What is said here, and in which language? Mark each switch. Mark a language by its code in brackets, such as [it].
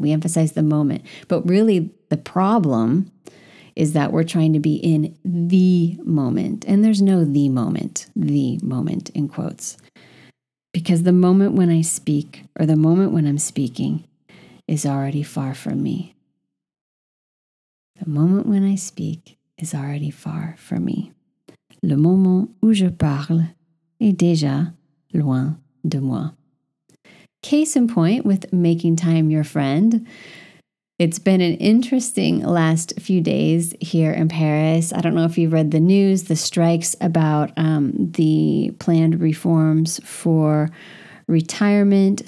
[en] We emphasize the moment. But really, the problem is that we're trying to be in the moment. And there's no the moment in quotes. Because the moment when I speak or the moment when I'm speaking is already far from me. The moment when I speak is already far from me. [fr] Le moment où je parle est déjà loin de moi. [en] Case in point with making time your friend. It's been an interesting last few days here in Paris. I don't know if you've read the news, the strikes about the planned reforms for retirement.